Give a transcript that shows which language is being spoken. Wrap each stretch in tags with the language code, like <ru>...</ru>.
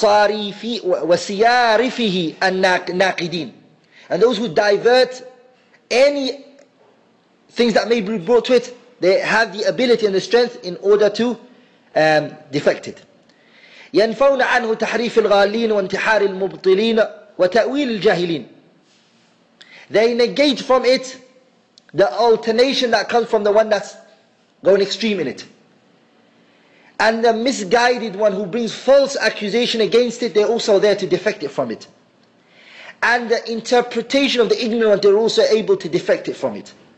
<ar>وَسِيَارِفِهِ النَّاقِدِينَ,</ar> <en>and those who divert any things that may be brought to it, they have the ability and the strength in order to defect it.</en> <ar>ينفون عنه تحريف الغالين وانتحار المبطلين وتأويل الجاهلين.</ar> <en>They negate from it the alternation that comes from the one that's going extreme in it. And the misguided one who brings false accusation against it, they're also there to defect it from it. And the interpretation of the ignorant, they're also able to defect it from it.</en>